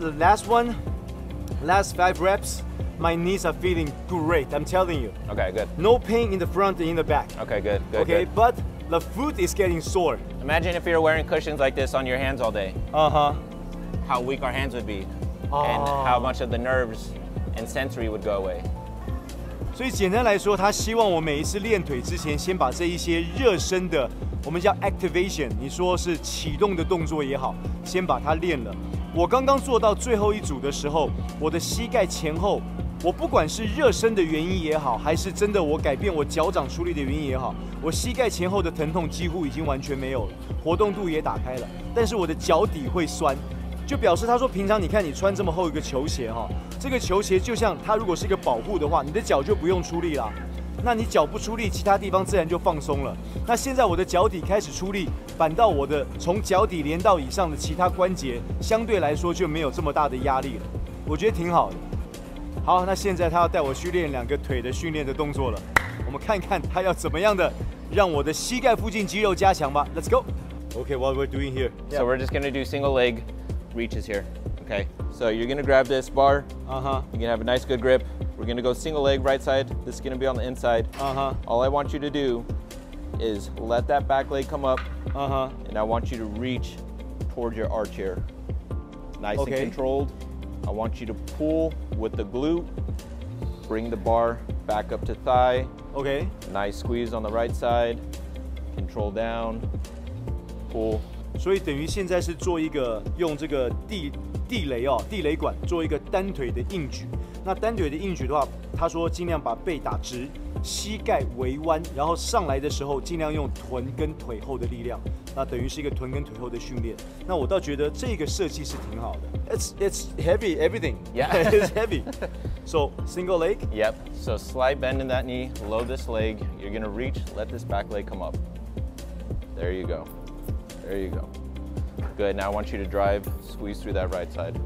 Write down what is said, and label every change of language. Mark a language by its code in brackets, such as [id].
[en] The last one, last 5 reps, my knees are feeling great. I'm telling you. Okay, good. No pain in the front and in the back. Okay, good, good. Okay, good. But the foot is getting sore. Imagine if you're wearing cushions like this on your hands all day. How weak our hands would be. And how much of the nerves and sensory would go away. [zh] 所以简单来说，他希望我每一次练腿之前，先把这一些热身的，我们叫 activation， 你说是启动的动作也好，先把它练了。我刚刚做到最后一组的时候，我的膝盖前后，我不管是热身的原因也好，还是真的我改变我脚掌出力的原因也好，我膝盖前后的疼痛几乎已经完全没有了，活动度也打开了，但是我的脚底会酸。就表示他说平常你看你穿这么厚一个球鞋哈，这个球鞋就像它如果是一个保护的话，你的脚就不用出力了，那你脚不出力，其他地方自然就放松了。那现在我的脚底开始出力，反倒我的从脚底连到以上的其他关节相对来说就没有这么大的压力了，我觉得挺好的。好，那现在他要带我训练两个腿的训练的动作了，我们看看他要怎么样的让我的膝盖附近肌肉加强吧。 [en] Let's go. Okay, what we're doing here? So we're just gonna do single legreaches here. Okay, so you're gonna grab this bar. You're gonna have a nice good grip. We're gonna go single leg right side. This is gonna be on the inside. All I want you to do is let that back leg come up. And I want you to reach towards your arch here. Nice and controlled. I want you to pull with the glute. Bring the bar back up to thigh. Nice squeeze on the right side. Control down. Pull. [zh] 所以等于现在是做一个用这个地雷哦，地雷管做一个单腿的硬举。那单腿的硬举的话，他说尽量把背打直，膝盖微弯，然后上来的时候尽量用臀跟腿后的力量。那等于是一个臀跟腿后的训练。那我倒觉得这个设计是挺好的。 [en] It's heavy everything. Yeah, it's heavy. So single leg. Yep. So slight bend in that knee, low this leg. You're gonna reach, let this back leg come up. There you go. There you go. Good. Now I want you to drive, squeeze through that right side.